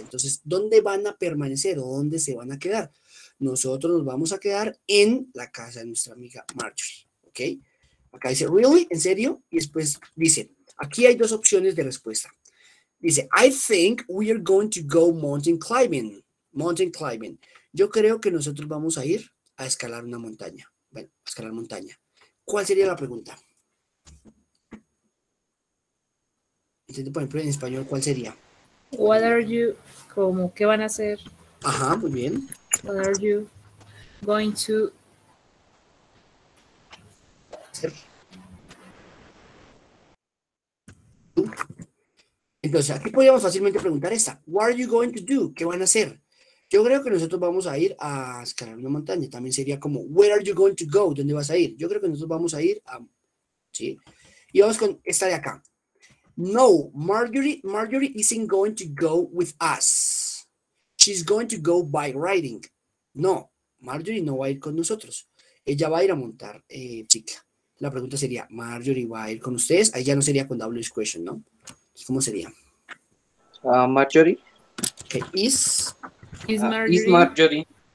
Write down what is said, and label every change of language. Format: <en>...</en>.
<es>Entonces, ¿dónde van a permanecer o dónde se van a quedar? Nosotros nos vamos a quedar en la casa de nuestra amiga Marjorie. ¿Ok? Acá dice, ¿really? ¿En serio? Y después dice, aquí hay dos opciones de respuesta.</es> <en>Dice, I think we are going to go mountain climbing. Mountain climbing.</en> <es>Yo creo que nosotros vamos a ir a escalar una montaña. Bueno, a escalar montaña. ¿Cuál sería la pregunta? Entonces, por ejemplo, en español, ¿cuál sería?</es> <en>What are you,</en> <es>como, ¿qué van a hacer? Ajá, muy bien.</es> <en>What are you going to</en> <es>hacer? Entonces, aquí podríamos fácilmente preguntar esa.</es> <en>What are you going to do?</en> <es>¿Qué van a hacer? Yo creo que nosotros vamos a ir a escalar una montaña. También sería como,</es> <en>where are you going to go?</en> <es>¿Dónde vas a ir? Yo creo que nosotros vamos a ir a, ¿sí? Y vamos con esta de acá.</es> <en>No, Marjorie isn't going to go with us. She's going to go by riding.</en> <es>No, Marjorie no va a ir con nosotros. Ella va a ir a montar cicla. La pregunta sería, ¿Marjorie va a ir con ustedes? Ahí ya no sería con WH question, ¿no? ¿Cómo sería? Marjorie.</es> <en>Okay. Is. Is Marjorie.</en>